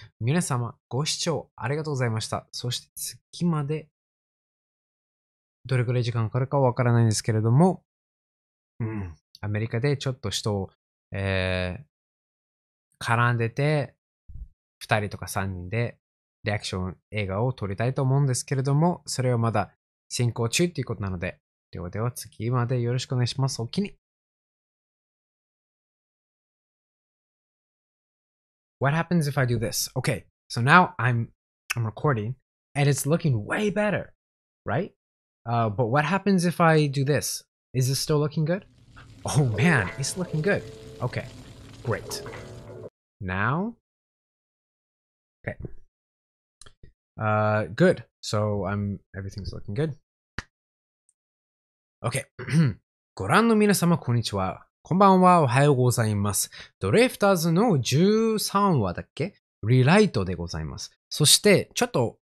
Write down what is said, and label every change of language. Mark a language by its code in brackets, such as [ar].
[ja] 皆様ご視聴ありがとうございました。そして月までどれくらい時間かかるかわからないんですけれども、うん、アメリカでちょっと人を、絡んでて、2人とか3人でリアクション映画を撮りたいと思うんですけれども、それはまだ進行中っていうことなので、ではでは次までよろしくお願いします。おきに。 [en] What happens if I do this? Okay, so now I'm recording and it's looking way better, right? But what happens if I do this? Is this still looking good? Oh man, it's looking good. Okay, great. Now? Okay. Good. So, everything's looking good. Okay. [ja] ご覧の皆様、こんにちは。こんばんは。おはようございます。ドリフターズの13話だっけ？リライトでございます。そして、ちょっと